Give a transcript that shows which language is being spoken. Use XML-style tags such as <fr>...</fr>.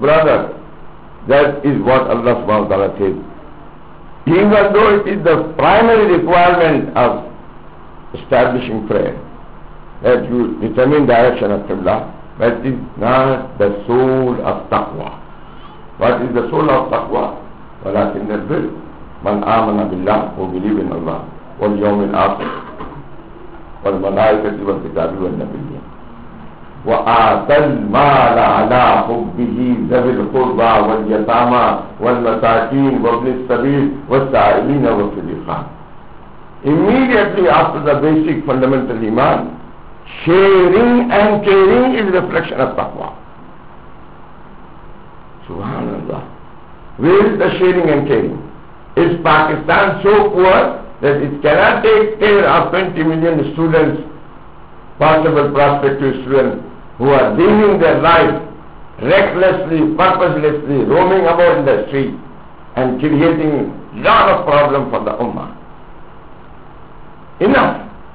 <en>Brother, that is what Allah subhanahu wa ta'ala said. Even though it is the primary requirement of establishing prayer, that you determine direction of Qibla, but it is not the soul of taqwa. What is the soul of taqwa?</en> <ar>وَلَكِنْ نَبِّرْ مَنْ آمَنَ بِاللَّهِ</ar> <en>who believe in Allah.</en> <ar>واليوم الآخر والملائكة والكتاب والنبيين وآتى المال على حبه ذوي القربى واليتامى والمساكين وابن السبيل والسائلين وفي الرقاب.</ar> <en>Immediately after the basic fundamental iman, sharing and caring is reflection of taqwa. Subhanallah. Where is the sharing and caring? Is Pakistan so poor that it cannot take care of 20 million students, possible prospective students, who are living their life recklessly, purposelessly, roaming about in the street and creating lot of problems for the Ummah? Enough.</en>